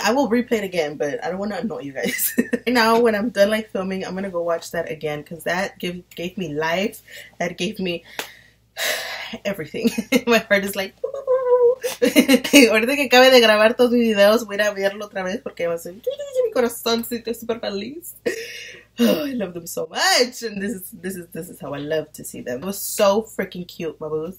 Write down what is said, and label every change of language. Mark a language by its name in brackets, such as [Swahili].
[English] I will replay it again, but I don't want to annoy you guys. Right now, when I'm done, like, filming, I'm going to go watch that again, because that gave me life. That gave me everything. My heart is like, [Spanish] ahorita que acabe de grabar todos mis videos, voy a verlo otra vez, porque va a ser mi corazoncito super feliz. [English] Oh, I love them so much, and this is how I love to see them. It was so freaking cute, babos.